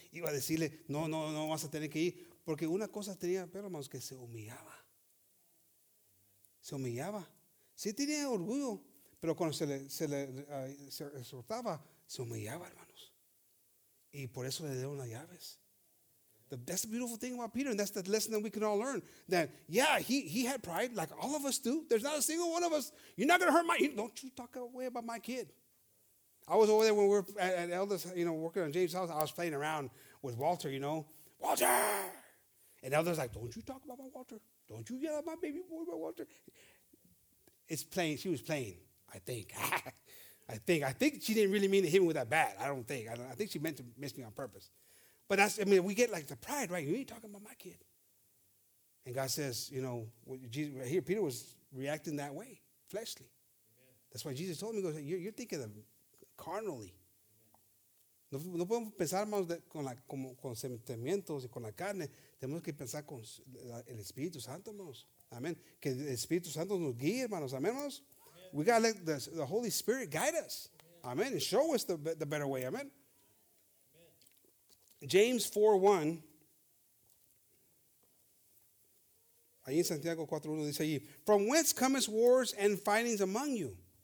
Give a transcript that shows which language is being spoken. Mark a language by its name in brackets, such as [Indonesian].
[Spanish] Iba a decirle, no vas a tener que ir. Porque una cosa tenía, pero hermanos, que se humillaba. Se humillaba. Sí tenía orgullo, pero cuando se le exhortaba, se humillaba, hermanos. Y por eso le dieron las llaves. [English] That's the beautiful thing about Peter, and that's the lesson that we can all learn. That, yeah, he had pride, like all of us do. There's not a single one of us. You're not going to hurt my, don't you talk away about my kid. I was over there when we were at Elder's, working on James' house. I was playing around with Walter, Walter! And Elder's like, don't you talk about my Walter. Don't you yell at my baby boy, my Walter. It's playing. She was playing, I think. I think she didn't really mean to hit me with that bat. I don't think. I think she meant to miss me on purpose. But that's, I mean, we get like the pride, right? You ain't talking about my kid. And God says, Jesus, right here, Peter was reacting that way, fleshly. Amen. That's why Jesus told him, he goes, you're thinking of carnally. [Spanish] No podemos pensar más con sentimientos y con la carne. Tenemos que pensar con el Espíritu Santo, hermanos. Amen. Que el Espíritu Santo nos guíe, hermanos. Amen, hermanos. [English] We got to let the Holy Spirit guide us. Amen. And show us the better way. Amen. James 4:1. [Spanish] Ahí en Santiago 4:1 dice allí, [English] from whence comest wars and fightings among you?